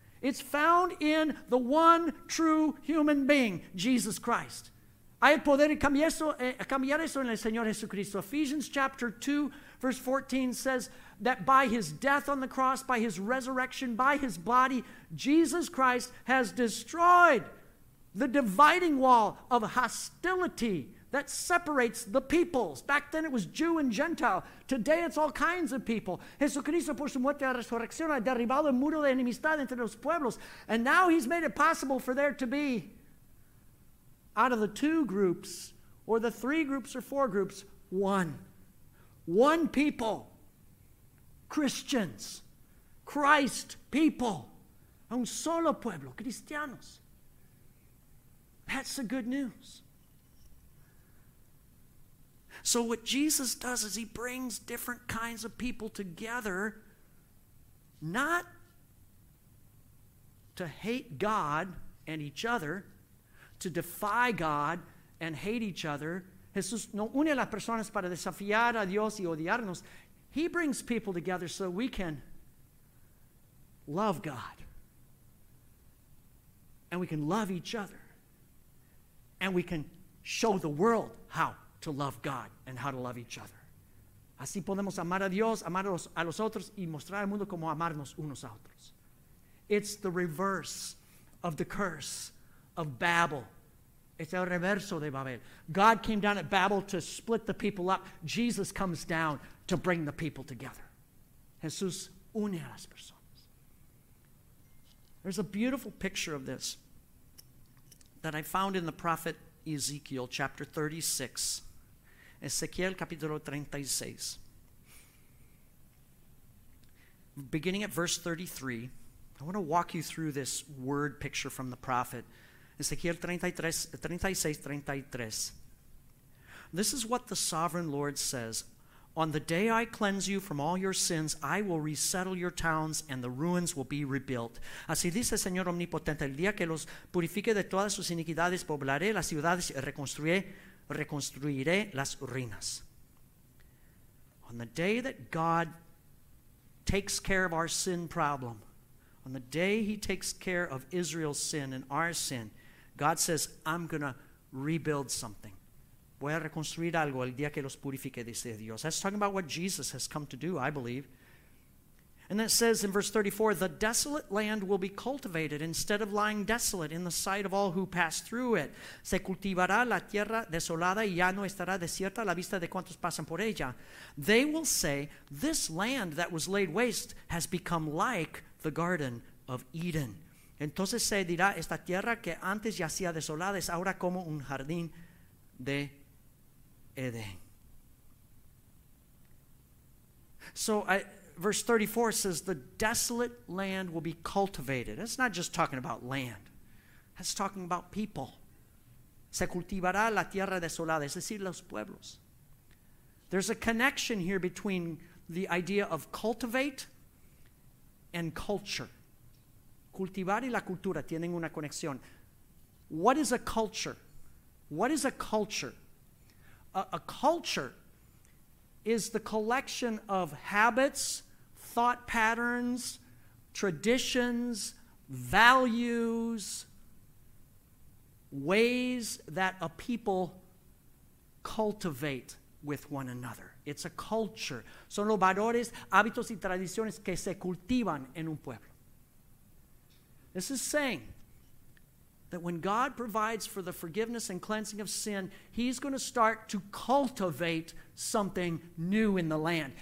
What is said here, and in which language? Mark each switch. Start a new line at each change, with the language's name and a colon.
English: It's found in the one true human being, Jesus Christ.
Spanish: Hay el poder cambiar eso en el Señor Jesucristo.
English: Ephesians chapter 2, verse 14 says that by his death on the cross, by his resurrection, by his body, Jesus Christ has destroyed the dividing wall of hostility that separates the peoples. Back then it was Jew and Gentile. Today it's all kinds of people.
Spanish: Jesucristo por su muerte y resurrección ha derribado el muro de enemistad entre los pueblos.
English: And now he's made it possible for there to be, out of the two groups, or the three groups or four groups, one. One people. Christians. Christ people.
Spanish: Un solo pueblo. Cristianos.
English: That's the good news. So what Jesus does is he brings different kinds of people together, not to hate God and each other, to defy God and hate each other.
Spanish: Jesús no une a las personas para desafiar a Dios y odiarnos.
English: He brings people together so we can love God. And we can love each other. And we can show the world how to love God and how to love each other.
Spanish: Así podemos amar a Dios, amar a los otros y mostrar al mundo cómo amarnos unos a otros.
English: It's the reverse of the curse of Babel.
Spanish: Es el reverso de Babel.
English: God came down at Babel to split the people up. Jesus comes down to bring the people together.
Spanish: Jesús une a las personas.
English: There's a beautiful picture of this that I found in the prophet Ezekiel chapter 36.
Spanish: Ezequiel capítulo 36.
English: Beginning at verse 33, I want to walk you through this word picture from the prophet.
Spanish: Ezequiel 36:33.
English: This is what the sovereign Lord says. On the day I cleanse you from all your sins, I will resettle your towns and the ruins will be rebuilt.
Spanish: Así dice el Señor Omnipotente. El día que los purifique de todas sus iniquidades, poblaré las ciudades y reconstruiré las ruinas.
English: On the day that God takes care of our sin problem, on the day he takes care of Israel's sin and our sin, God says, I'm going to rebuild something.
Spanish: Voy a reconstruir algo el día que los purifique, dice Dios.
English: That's talking about what Jesus has come to do, I believe. And it says in verse 34, the desolate land will be cultivated instead of lying desolate in the sight of all who pass through it.
Spanish: Se cultivará la tierra desolada y ya no estará desierta a la vista de cuantos pasan por ella.
English: They will say, this land that was laid waste has become like the Garden of Eden.
Spanish: Entonces se dirá, esta tierra que antes yacía desolada es ahora como un jardín de Edén.
English: So verse 34 says, the desolate land will be cultivated. That's not just talking about land. That's talking about people.
Spanish: Se cultivará la tierra desolada, es decir, los pueblos.
English: There's a connection here between the idea of cultivate and culture.
Spanish: Cultivar y la cultura tienen una conexión.
English: What is a culture? What is a culture? A culture is the collection of habits, thought patterns, traditions, values, ways that a people cultivate with one another. It's a culture.
Spanish: Son los valores, hábitos y tradiciones que se cultivan en un pueblo.
English: This is saying that when God provides for the forgiveness and cleansing of sin, he's going to start to cultivate something new in the land.